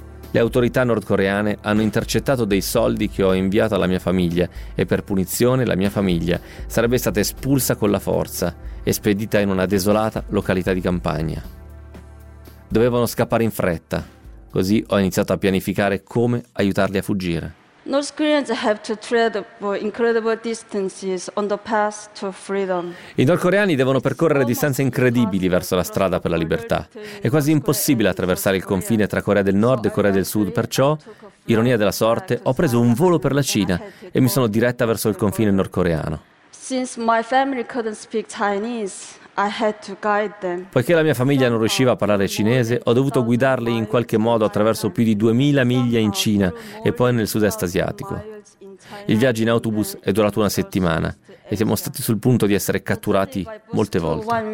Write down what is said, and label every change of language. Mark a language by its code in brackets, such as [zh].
[it] Le autorità nordcoreane hanno intercettato dei soldi che ho inviato alla mia famiglia e per punizione la mia famiglia sarebbe stata espulsa con la forza e spedita in una desolata località di campagna. Dovevano scappare in fretta, così ho iniziato a pianificare come aiutarli a fuggire. [en] North Koreans have to travel incredible distances on the path to freedom. [it] I nordcoreani devono percorrere distanze incredibili verso la strada per la libertà. È quasi impossibile attraversare il confine tra Corea del Nord e Corea del Sud, perciò, ironia della sorte, ho preso un volo per la Cina e mi sono diretta verso il confine nordcoreano. [en] Since my family couldn't speak Chinese, I had to guide them. [it] Poiché la mia famiglia non riusciva a parlare cinese, ho dovuto guidarli in qualche modo attraverso più di 2000 miglia in Cina e poi nel sud-est asiatico. Il viaggio in autobus è durato una settimana e siamo stati sul punto di essere catturati molte volte.